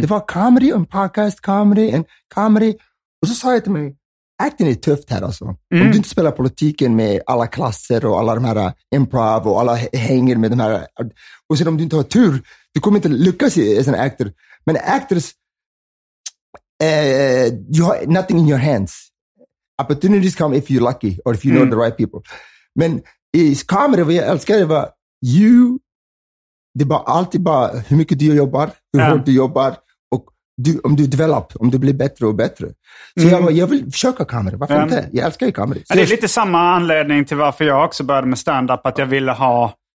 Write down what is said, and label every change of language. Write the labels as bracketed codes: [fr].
[sv] Det var comedy och podcast comedy. Och så sa jag till mig, acting är tufft här alltså. Om du inte spelar politiken med alla klasser och alla de här improv och alla hänger med de här. Och sen om du inte har tur, du kommer inte lyckas [en] as an actor. Men actors, you have nothing in your hands. Opportunities come if you're lucky or if you know the right people. [sv] Men i comedy, vad jag älskar är det är bara alltid bara hur mycket du jobbar, hur hårt du jobbar. Om du blir bättre och bättre. Så jag vill försöka kameror. Varför inte? Jag älskar ju kameror. Det är lite samma anledning till varför jag också började med stand-up. Att jag ville ha...